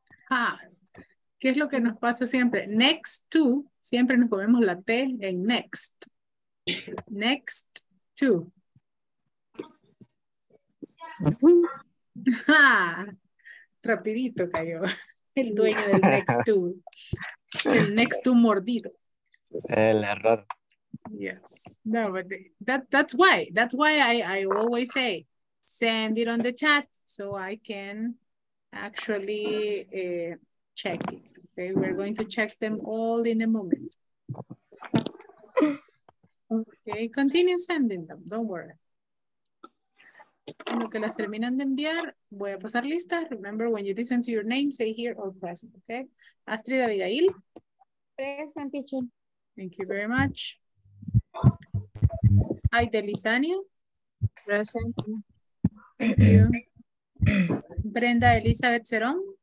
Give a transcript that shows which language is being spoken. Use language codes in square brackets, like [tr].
[es] Ah, ¿qué es lo que nos pasa siempre? Next to, siempre nos comemos la T en next. [en] Next to. [es] Ah, rapidito cayó el dueño del next to. El next to mordido. El error. [en] Yes. No, but that's why I always say, send it on the chat so I can actually check it. Okay, we're going to check them all in a moment. Okay, continue sending them, don't worry. [es] En lo que las terminan de enviar, voy a pasar lista. [en] Remember, when you listen to your name, say here or present, okay? Astrid Abigail. Present, teacher. Thank you very much. Aide Lisania. Present. Thank you. Brenda Elizabeth Cerón.